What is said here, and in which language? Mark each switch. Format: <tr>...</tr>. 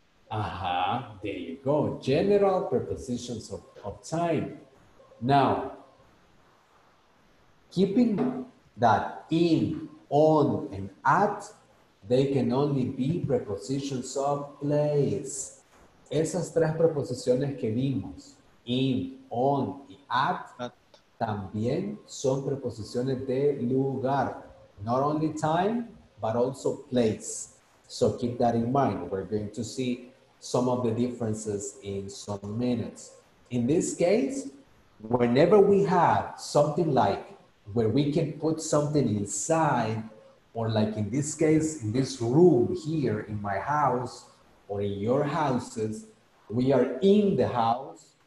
<en>Ajá. There you go. General prepositions of time. Now, keeping that in, on, and at, they can only be prepositions of place.</en> <es>Esas tres preposiciones que vimos, in, on, y at, también son preposiciones de lugar.</es> <en>Not only time, but also place. So keep that in mind. We're going to see some of the differences in some minutes. In this case, whenever we have something like where we can put something inside, or like in this case, in this room here in my house or in your houses, we are in the house.</en>